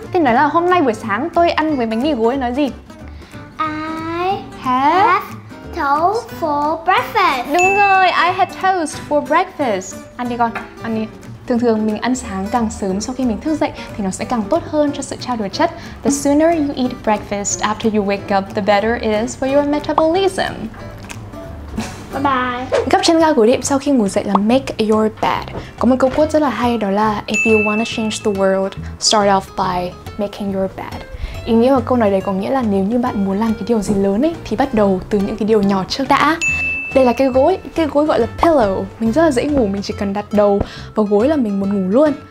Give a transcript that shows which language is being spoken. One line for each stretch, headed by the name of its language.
Vietnamese: Thế nói là hôm nay buổi sáng tôi ăn với bánh mì gối nói gì?
English: I have toast for breakfast.
Vietnamese: Đúng rồi,
English: I had toast for breakfast.
Vietnamese: Ăn đi con, ăn đi. Thường thường mình ăn sáng càng sớm sau khi mình thức dậy thì nó sẽ càng tốt hơn cho sự trao đổi chất.
English: The sooner you eat breakfast after you wake up, the better it is for your metabolism. Bye bye.
Vietnamese: Gấp chân ga gối đệm sau khi ngủ dậy là
English: make your bed.
Vietnamese: Có một câu quote rất là hay đó là
English: if you want to change the world, start off by making your bed.
Vietnamese: Ý nghĩa của câu nói đấy có nghĩa là nếu như bạn muốn làm cái điều gì lớn ấy thì bắt đầu từ những cái điều nhỏ trước đã. Đây là cái gối gọi là pillow. Mình rất là dễ ngủ, mình chỉ cần đặt đầu vào gối là mình muốn ngủ luôn.